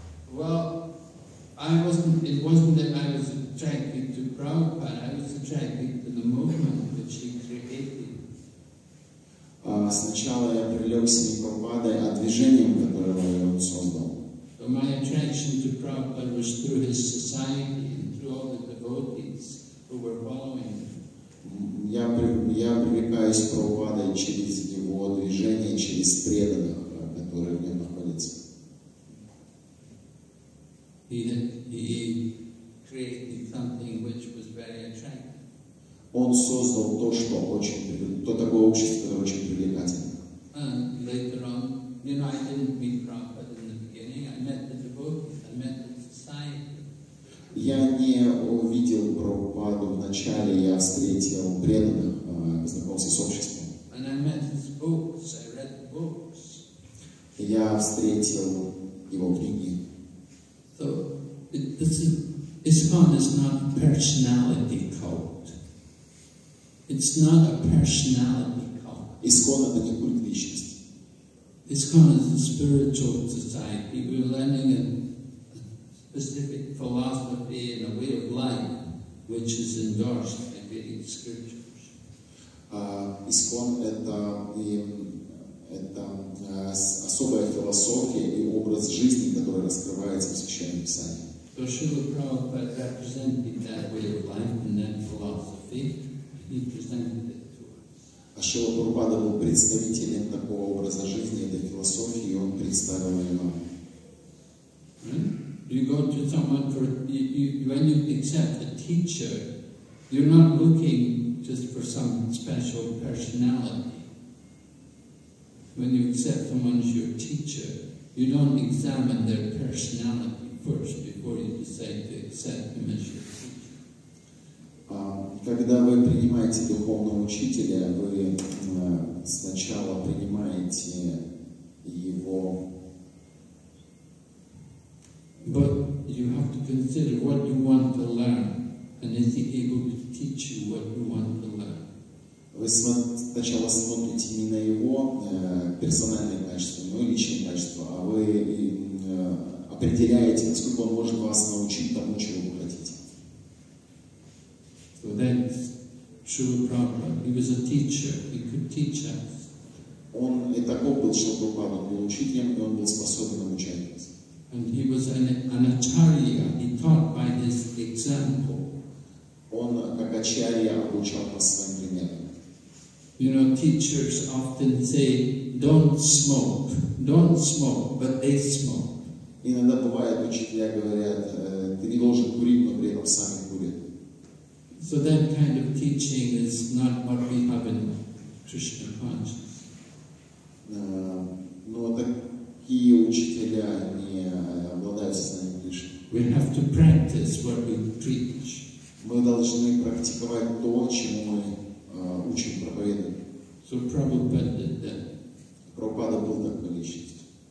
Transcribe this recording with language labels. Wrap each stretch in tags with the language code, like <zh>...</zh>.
<en>Well, it wasn't that I was attracted to Prabhupada, I was attracted to the movement which he created.</en> <ru>Сначала я привлекся не Прабхупадой, а движением, которое он создал.</ru> <en>So my attraction to Prabhupada was through his society and through all the devotees who were following him.</en> <ru>Я привлекаюсь к Прабхупаде через его движение, через преданных, которые в нем находятся.</ru> <en>He created something which was very attractive.</en> <ru>Он создал то, что очень, то такое общество, которое очень привлекательно.</ru> <en>And later on, you know, I didn't meet Prabhupada in the beginning. I met the devotees. I met the society.</en> <ru>Я не увидел Прабхупаду в начале. Я встретил преданных, познакомился с обществом.</ru> <en>And I met his books. I read the books.</en> <ru>Я встретил его книги.</ru> <en>So ISKCON is not a personality cult. It's not a personality cult.</en> <ru>ISKCON это не культ личности.</ru> <en>ISKCON is a spiritual society. We're learning a specific philosophy and a way of life, which is endorsed by Vedic scriptures.</en> <ru>ISKCON это особая философия и образ жизни, который раскрывается в Священном Писании.</ru> <en>So Srila Prabhupada represented that way of life and that philosophy. He presented it to us.</en> <ru>А Шрила Прабхупада был представителем такого образа жизни, этой философии, и он представил ее нам.</ru> <en>You go to someone for when you accept a teacher, you're not looking just for some special personality. When you accept someone as your teacher, you don't examine their personality first before you decide to accept them as your teacher.</en> <ru>Когда вы принимаете духовного учителя, вы сначала принимаете его.</ru> <en>But you have to consider what you want to learn, and is he able to teach you what you want to learn?</en> <ru>Вы сначала смотрите не на его персональные качества, но и личные качества, а вы определяете, насколько он может вас научить тому, чего вы хотите.</ru> <en>So that's true problem. He was a teacher. He could teach us.</en> <ru>Он и таков был, что Шрила был учителем, и он был способен обучать нас.</ru> <en>And he was an acharya. He taught by his example.</en> <ru>Он как ачарья обучал по своим примерам.</ru> <en>You know, teachers often say, don't smoke, but they smoke.</en> <ru>Иногда бывает, учителя говорят, ты не должен курить, но при этом сами курят.</ru> <en>So that kind of teaching is not what we have in Krishna consciousness.</en> <ru>Но такие учителя не обладают сознанием Кришны.</ru> <en>We have to practice what we preach.</en> <ru>Мы должны практиковать то, чему мы учим, проповедуем.</ru> <en>So Prabhupada did that.</en> <ru>Прабхупада был такой личностью.</ru>